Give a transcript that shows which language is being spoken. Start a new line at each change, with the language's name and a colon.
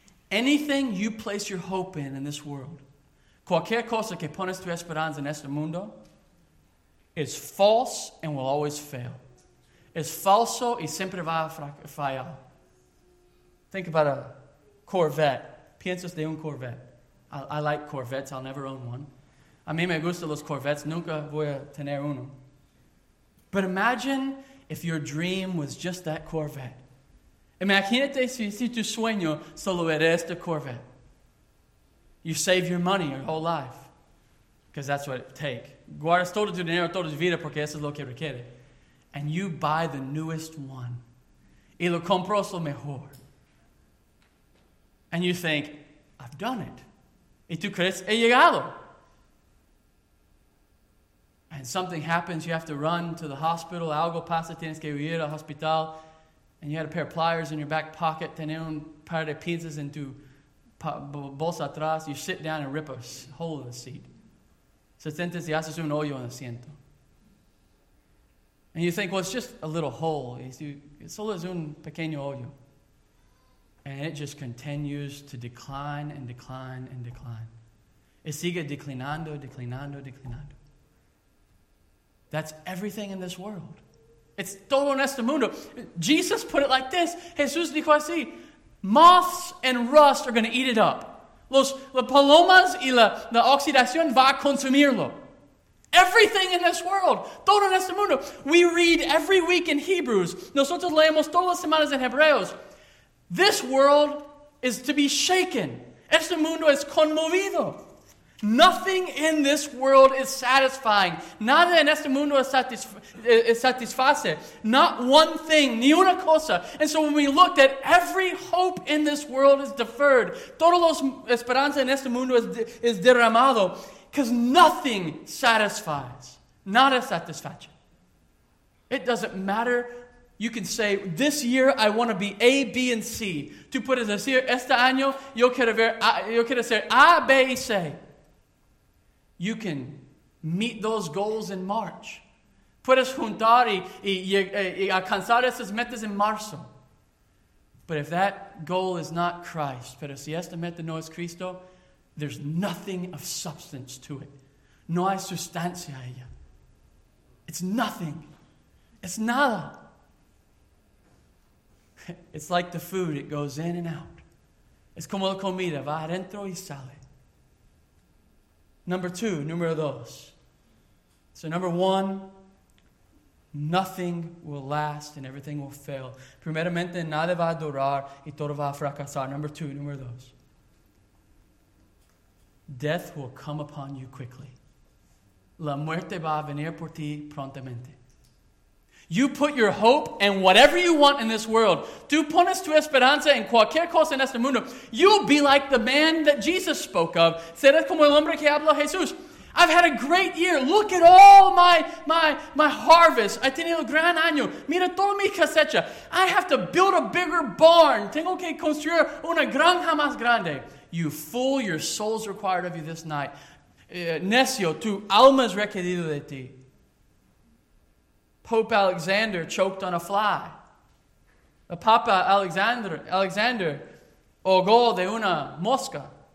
English: Anything you place your hope in this world,
Spanish: cualquier cosa que pones tu esperanza en este mundo,
English: is false and will always fail.
Spanish: Es falso y siempre va a fallar.
English: Think about a Corvette.
Spanish: Piensas de un Corvette.
English: I like Corvettes. I'll never own one.
Spanish: A mí me gustan los Corvettes. Nunca voy a tener uno.
English: But imagine if your dream was just that Corvette.
Spanish: Imagínate si tu sueño solo era este Corvette.
English: You save your money your whole life. Because that's what it takes.
Spanish: Guardas todo tu dinero, toda tu vida, porque eso es lo que requiere.
English: And you buy the newest one.
Spanish: Y lo compras lo mejor.
English: And you think, I've done it.
Spanish: Y tú crees, he llegado.
English: And something happens, you have to run to the hospital.
Spanish: Algo pasa, tienes que ir al hospital.
English: And you had a pair of pliers in your back pocket.
Spanish: Tenía un par de pinzas en tu bolsa atrás.
English: You sit down and rip a hole in the seat.
Spanish: Sentas y haces un hoyo en el asiento.
English: And you think, well, it's just a little hole.
Spanish: It's solo es un pequeño hoyo.
English: And it just continues to decline and decline and decline. It
Spanish: sigue declinando, declinando, declinando.
English: That's everything in this world.
Spanish: It's todo en este mundo.
English: Jesus put it like this.
Spanish: Jesús dijo así.
English: Moths and rust are going to eat it up.
Spanish: Las palomas y la oxidación va a consumirlo.
English: Everything in this world.
Spanish: Todo en este mundo.
English: We read every week in Hebrews.
Spanish: Nosotros leemos todas las semanas en Hebreos.
English: This world is to be shaken.
Spanish: Este mundo es conmovido.
English: Nothing in this world is satisfying.
Spanish: Nada en este mundo satisface.
English: Not one thing,
Spanish: ni una cosa.
English: And so when we looked at every hope in this world is deferred.
Spanish: Todo los esperanza en este mundo es derramado.
English: Because nothing satisfies. Not a satisfaction. It doesn't matter. You can say, this year I want to be A, B, and C.
Spanish: Tú puedes decir, este año yo quiero ser A, B, y C.
English: You can meet those goals in March.
Spanish: Puedes juntar y alcanzar esas metas en marzo.
English: But if that goal is not Christ,
Spanish: pero si esta meta no es Cristo,
English: there's nothing of substance to it.
Spanish: No hay sustancia a ella.
English: It's nothing.
Spanish: It's nada.
English: It's like the food. It goes in and out.
Spanish: Es como la comida. Va adentro y sale.
English: Number two,
Spanish: numero dos.
English: So number one, nothing will last and everything will fail.
Spanish: Primeramente, nada va a durar y todo va a fracasar.
English: Number two,
Spanish: numero dos.
English: Death will come upon you quickly.
Spanish: La muerte va a venir por ti prontamente.
English: You put your hope in whatever you want in this world.
Spanish: Tú pones tu esperanza en cualquier cosa en este mundo.
English: You'll be like the man that Jesus spoke of.
Spanish: Serás como el hombre que habló Jesús.
English: I've had a great year. Look at all my harvest.
Spanish: He tenido un gran año. Mira toda mi cosecha.
English: I have to build a bigger barn.
Spanish: Tengo que construir una granja más grande.
English: You fool, your soul's required of you this night.
Spanish: Necio, tu alma es requerido de ti.
English: Pope Alexander choked on a fly.
Spanish: The Papa Alexander ahogó de una mosca.